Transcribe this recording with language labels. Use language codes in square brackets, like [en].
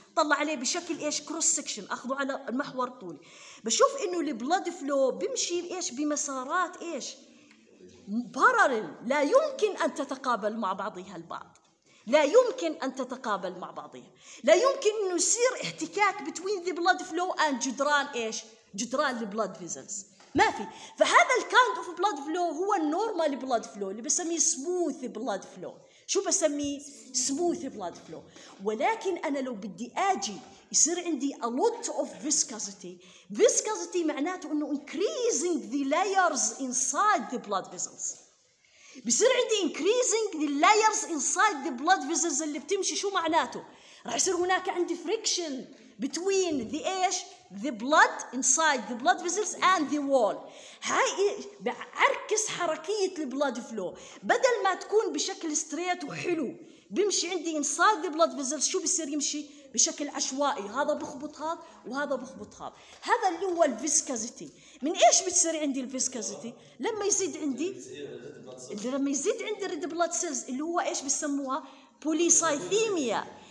[ar] طلع عليه بشكل ايش كروس سكشن، اخذه على المحور الطولي، بشوف انه البلاد فلو بيمشي ايش بمسارات ايش بارالل، لا يمكن ان تتقابل مع بعضها البعض، لا يمكن ان تتقابل مع بعضها، لا يمكن انه يصير احتكاك بين ذا بلاد فلو اند جدران ايش جدران البلاد فيزلز، ما في. فهذا الكاند اوف بلاد فلو هو النورمال بلاد فلو اللي بسميه سموث بلاد فلو. شو بسميه؟ سموث بلاد فلو. ولكن انا لو بدي اجي يصير عندي [en] a lot of viscosity. Viscosity [ar] معناته انه [en] increasing the layers inside the blood vessels. [ar] بيصير عندي [en] increasing the layers inside the blood vessels [ar] اللي بتمشي، شو معناته؟ راح يصير هناك عندي [en] friction between the [ar] ايش [en] the blood inside the blood vessels and the wall. [ar] هاي بعكس حركية البلاد فلو، بدل ما تكون بشكل ستريت وحلو بيمشي عندي [en] inside the blood vessels، [ar] شو بيصير يمشي بشكل عشوائي، هذا بخبط هذا وهذا بخبط هذا. هذا اللي هو الفيسكازيتي. من ايش بتصير عندي الفيسكازيتي؟ لما يزيد عندي لما يزيد عندي الريد بلاد سيلز اللي هو ايش بسموها بوليسايثيميا.